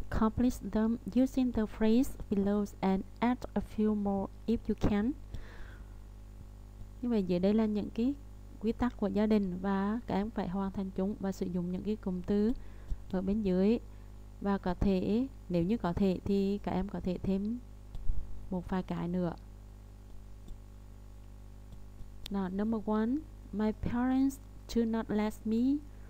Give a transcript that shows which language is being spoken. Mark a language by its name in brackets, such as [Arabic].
[English] Complete them using the phrase below and add a few more if you can. [Vietnamese] Như vậy dưới đây là những cái quy tắc của gia đình và các em phải hoàn thành chúng và sử dụng những cái cụm từ ở bên dưới. Và có thể, nếu như có thể thì các em có thể thêm một vài cái nữa. [English] Now, number one, my parents do not let me.